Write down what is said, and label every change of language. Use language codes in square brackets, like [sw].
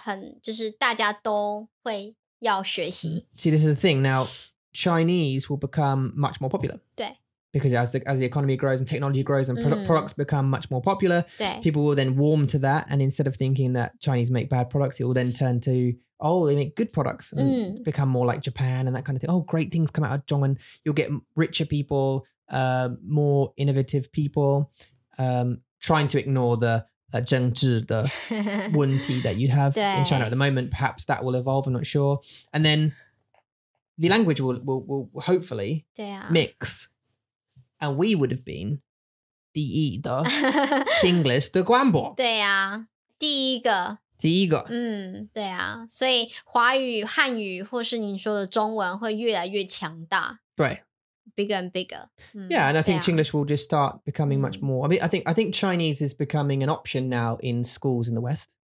[zh] 而且很就是大家都会要学习. [en] See, this is the thing. Now Chinese will become much more popular, [zh] 对, [en] because as the economy grows and technology grows and products become much more popular, people will then warm to that, and instead of thinking that Chinese make bad products, it will then turn to, oh, they make good products and become more like Japan and that kind of thing. Oh, great things come out of Zhongan. You'll get richer people, more innovative people, trying to ignore the [zh] 政治的问题 [en] that you'd have in China at the moment. Perhaps that will evolve, I'm not sure. And then the language will hopefully mix. And we would have been [zh] 第一的清list的官博. 对啊,第一个. 第一个, 对啊, 所以华语汉语或是你说的中文会越来越强大, 对, [en] bigger and bigger. Yeah, and I think English will just start becoming much more. I mean, I think Chinese is becoming an option now in schools in the West.